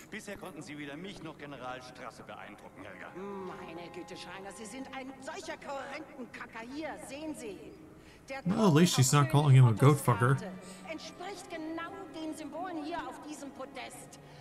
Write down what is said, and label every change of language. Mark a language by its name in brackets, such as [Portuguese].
[German] Bisher konnten Sie weder mich noch General Strasse beeindrucken, Helga. Meine Güte, Schreiner, Sie sind ein solcher kohärenten Kacker hier, sehen Sie. [English] Der well, at least she's not calling him a goatfucker. [German] Entspricht genau den Symbolen hier auf diesem Podest.